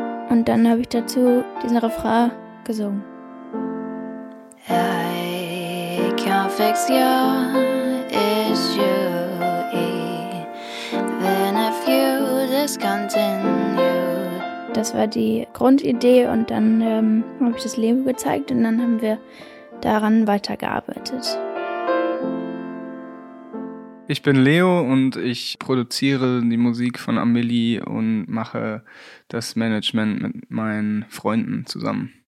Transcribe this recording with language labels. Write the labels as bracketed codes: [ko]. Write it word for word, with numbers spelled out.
[de] Und dann habe ich dazu diesen Refrain gesungen. [en] I can't fix your issue, then if you discontinue. [de] Das war die Grundidee und dann ähm, habe ich das Leben gezeigt und dann haben wir daran weitergearbeitet. Ich bin Leo und ich produziere die Musik von Amelie und mache das Management mit meinen Freunden zusammen.